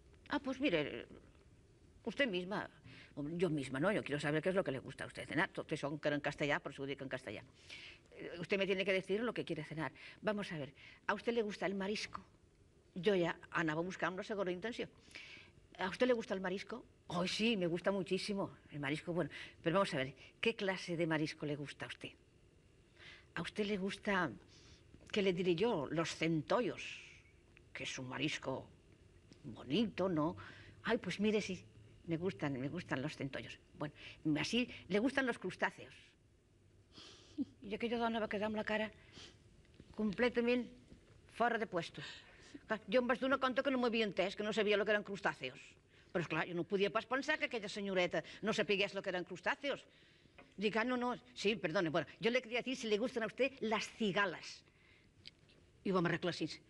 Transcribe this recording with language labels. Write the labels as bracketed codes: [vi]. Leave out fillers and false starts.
[es] Ah, pues mire, usted misma, jo misma, no, yo quiero saber qué es lo que le gusta a usted cenar. [ca] Tot això encara en castellà, però si ho dic en castellà. [es] Usted me tiene que decir lo que quiere cenar. Vamos a ver, ¿a usted le gusta el marisco? Yo ya andaba buscando una segunda intención. ¿A usted le gusta el marisco? Oh, sí, me gusta muchísimo el marisco. Bueno, pero vamos a ver, ¿qué clase de marisco le gusta a usted? ¿A usted le gusta, qué le diré yo, los centollos? Que es un marisco bonito, ¿no? Ay, pues mire, sí, me gustan los centollos. Bueno, así, le gustan los crustáceos. [ca] Y aquella dona va a quedar amb la cara completament fora de puesto. Jo em vaig donar compte que no m'havia entès, que no sabia el que eren crustàceos. Però, esclar, jo no podia pas pensar que aquella senyoreta no sapigués el que eren crustàceos. Dic, ah, no, no, sí, [es] perdone, bueno, [ca] jo li queria dir si li gusten a vostè les cigales. I ho vam arreglar així.